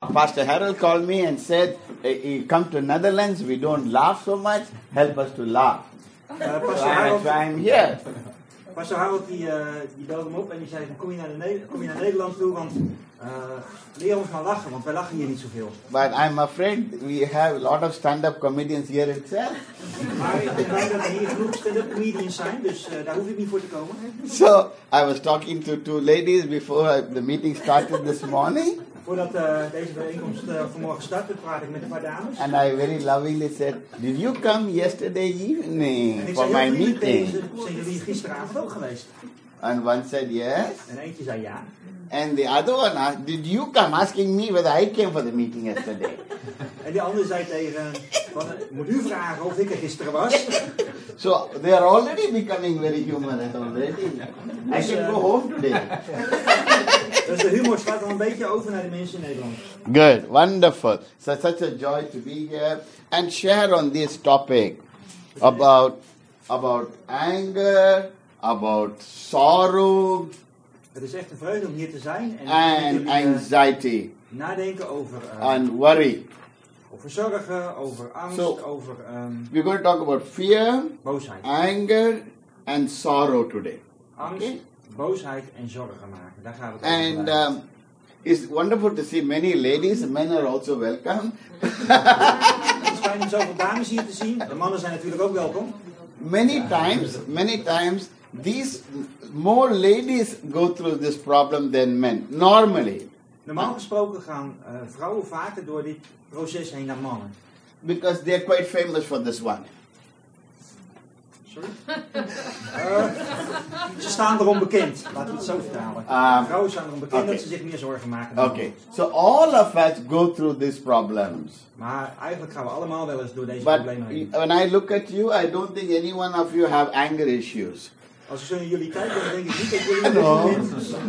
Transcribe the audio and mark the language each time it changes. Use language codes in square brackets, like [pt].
[en] Pastor Harold called me and said, "You come to Netherlands, we don't laugh so much. Help us to laugh." Pastor Harold, I'm here. [nl] Pastor Harold die belde hem op en die zei: kom je naar Nederland toe, want leer ons maar lachen, want wij lachen hier niet zoveel. [en] But I'm afraid we have a lot of stand-up comedians here itself. [nl] Maar ik denk dat er hier genoeg stand-up comedians zijn, dus daar hoef ik niet voor te komen. [en] So I was talking to two ladies before the meeting started this morning. [nl] Voordat deze bijeenkomst vanmorgen startte, praat ik met een paar dames. [en] And I very lovingly said, "Did you come yesterday evening for [nl] zei, [en] my meeting?" [nl] Zijn jullie gisteravond ook geweest? [en] And one said yes. [nl] En eentje zei ja. [en] And the other one asked, "Did you come asking me whether I came for the meeting yesterday?" [nl] En die andere zei tegen, moet u vragen of ik er gisteren was? [en] So they are already becoming very humorous already. I should go home today. [nl] Dus de humor slaat al een beetje over naar de mensen in Nederland. [en] Good, wonderful. So such a joy to be here and share on this topic about anger, about sorrow. [nl] Het is echt een vreugde om hier te zijn. En anxiety. Nadenken over. [en] And worry. [nl] Over zorgen, over angst, [en] so, [nl] over. [en] We're going to talk about fear, [nl] boosheid, [en] anger and sorrow today. [nl] Angst. Okay? Boosheid en zorgen maken. Daar gaan we het [en] and, over. And it's wonderful to see many ladies. Men are also welcome. [nl] Het is fijn om zoveel dames hier te zien. De mannen zijn natuurlijk ook welkom. [en] Many times, these more ladies go through this problem than men. Normally. [nl] Normaal gesproken gaan vrouwen vaker door dit proces heen dan mannen. [en] Because they're quite famous for this one. [nl] Sorry? ze staan erom bekend. Laten we het zo vertalen. Vrouwen staan erom bekend dat ze zich meer zorgen maken. [en] Okay. So all of us go through these problems. [nl] Maar eigenlijk gaan we allemaal wel eens door deze [en] But [nl] problemen heen. [en] When I look at you, I don't think any one of you have anger issues. [nl] Als ik zo naar jullie kijk, dan denk ik niet dat jullie een issue hebben.